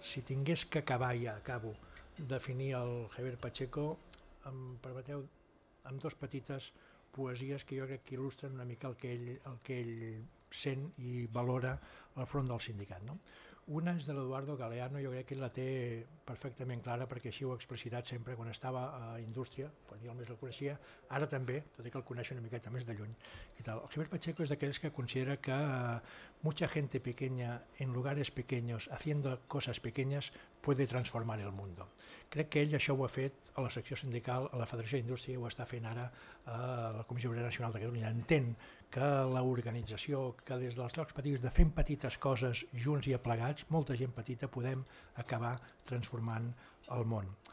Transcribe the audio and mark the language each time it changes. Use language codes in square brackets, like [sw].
[ca] Si tingués que acabar, ja acabo, definir el Javier Pacheco, em permeteu amb dues petites poesies que jo crec que il·lustren una mica el que ell sent i valora al front del sindicat. No? Una és de l'Eduardo Galeano, jo crec que ell la té perfectament clara, perquè així ho ha explicitat sempre quan estava a Indústria, quan jo més la coneixia, ara també, tot i que el coneix una miqueta més de lluny. I tal. El Javier Pacheco és d'aquells que considera que [es] mucha gente pequeña en lugares pequeños haciendo cosas pequeñas puede transformar el mundo. [ca] Crec que ell això ho ha fet a la secció sindical, a la Federació d'Indústria, i ho està fent ara a la Comissió Obrera Nacional de Catalunya. Entén que l'organització, que des dels llocs petits, de fent petites coses junts i aplegats, molta gent petita, podem acabar transformant el món.